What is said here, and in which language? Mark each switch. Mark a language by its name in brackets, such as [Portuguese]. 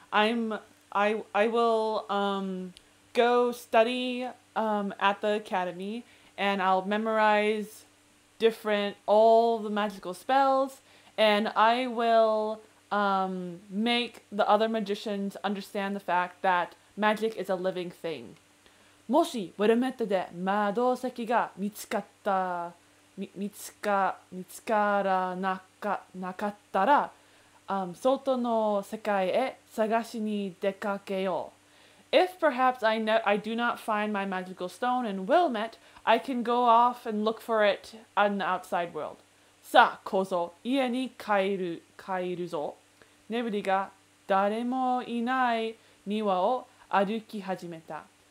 [English] I will go study at the academy, and I'll memorize all the magical spells, and I will make the other magicians understand the fact that magic is a living thing. [Japanese] もしウェルメットで魔導石が見つからなかったら、外の世界へ探しに出かけよう。 [English] If perhaps I do not find my magical stone in Wilmet, I can go off and look for it in the outside world. [Japanese] さあ、こぞ、家に帰るぞ。ネブリが誰もいない庭を歩き始めた。